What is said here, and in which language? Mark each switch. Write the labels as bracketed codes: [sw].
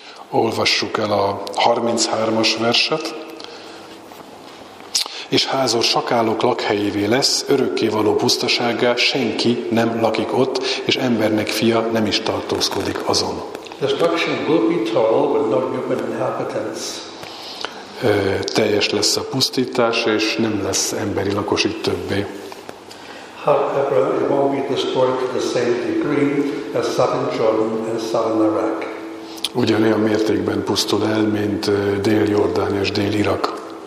[hu] Olvassuk el a 33-as verset. És házor sakálok lakhelyévé lesz, örökké való pusztasággá, senki nem lakik ott, és embernek fia nem is tartózkodik azon. [en] Destruction will be total with no human inhabitants. [hu] Teljes lesz a pusztítás, és nem lesz emberi lakosít többé. [en] However, it won't be destroyed to the same degree as southern Jordan and southern Iraq. [hu] Ugyanolyan mértékben pusztul el, mint Dél-Jordán és Dél-Irak.